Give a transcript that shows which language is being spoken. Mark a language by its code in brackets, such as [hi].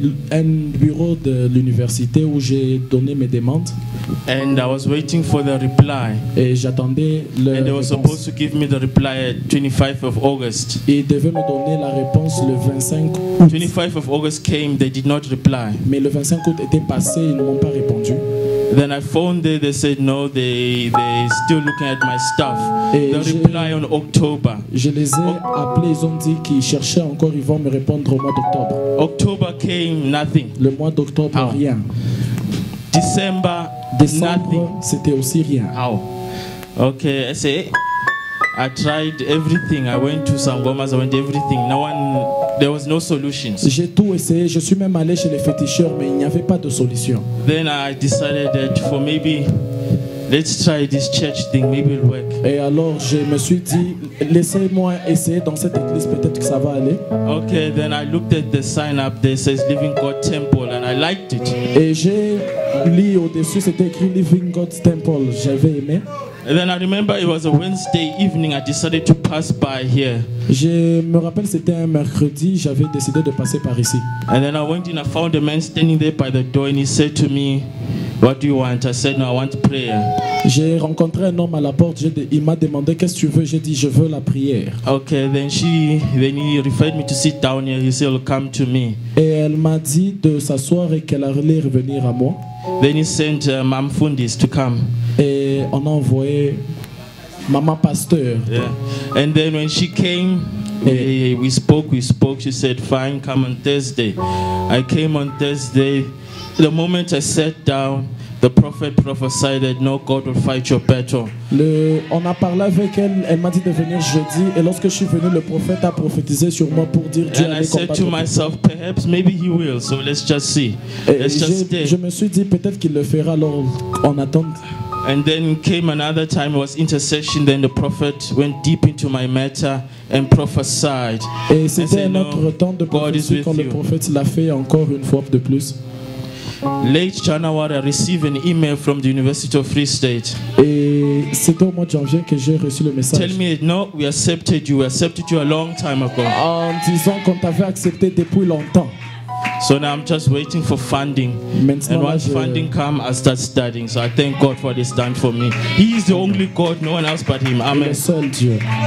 [fr] Un bureau de l'université où j'ai donné mes demandes. [en] And I was waiting for the reply. [fr] Et j'attendais le. [en] And they were supposed to give me the reply at 25 of August. [fr] Et ils devaient me donner la réponse le 25 août. [en] 25 of August came, they did not reply. [fr] Mais le 25 août était passé, ils ne m'ont pas répondu. [en] Then I phoned there, they said no, they still looking at my stuff. Et the reply on October. [fr] Je les ai appelés, ils ont dit qu'ils cherchaient encore, ils vont me répondre au mois d'octobre. [en] October came, nothing. [fr] Le mois d'octobre, [en] how? [fr] Rien. [en] December, nothing. [fr] C'était aussi rien. [en] How? Okay, I say, I tried everything. I went to Sangomas, I went to everything. No one, there was no solution. [fr] J'ai tout essayé. Je suis même allé chez les féticheurs, mais il n'y avait pas de solution. [en] Then I decided that for maybe, let's try this church thing. Maybe it'll work. [fr] Et alors, je me suis dit, laissez-moi essayer dans cette église. Peut-être que ça va aller. [en] Okay, then I looked at the sign up there. It says Living God Temple, and I liked it. [fr] Et j'ai lu au-dessus, c'était écrit Living God Temple. J'avais aimé. [en] And then I remember it was a Wednesday evening. I decided to pass by here. [fr] Je me rappelle, c'était un mercredi. J'avais décidé de passer par ici. [en] And then I went in. I found a man standing there by the door, and he said to me, "What do you want?" I said, "No, I want prayer." [fr] J'ai rencontré un homme à la porte. Il m'a demandé, "Qu'est-ce que tu veux?" J'ai dit, "Je veux la prière." [en] Okay. Then he referred me to sit down here. He said, "Come to me." [fr] Et elle m'a dit de s'asseoir et qu'elle allait revenir à moi. [en] Then he sent Mam Fundis to come. [fr] Et on a envoyé Maman Pasteur. [en] Yeah. And then when she came, we spoke. She said, "Fine, come on Thursday." I came on Thursday. The moment I sat down, the prophet prophesied that no God will fight your battle. [fr] On a parlé avec elle. Elle m'a dit de venir jeudi. Et lorsque je suis venu, le prophète a prophétisé sur moi pour dire Dieu allait combattre. [en] And I said to myself, perhaps maybe he will. So let's just see. Let's just stay. [fr] Je me suis dit peut-être qu'il le fera. Alors on attend. [en] And then came another time. It was intercession. Then the prophet went deep into my matter and prophesied. [fr] Et c'était un autre temps de prophétie quand le prophète l'a fait encore une fois de plus. [en] Late January, I received an email from the University of Free State. [fr] Et c'est au mois de janvier que j'ai reçu le message. [en] Tell me, no, we accepted you. We accepted you a long time ago. [fr] En disant qu'on t'avait accepté depuis longtemps. [en] So now I'm just waiting for funding. [fr] Maintenant, [en] and once funding comes, I start studying. So I thank God for what he's done for me. He is the only God, no one else but him. Amen. [fr] Le seul Dieu.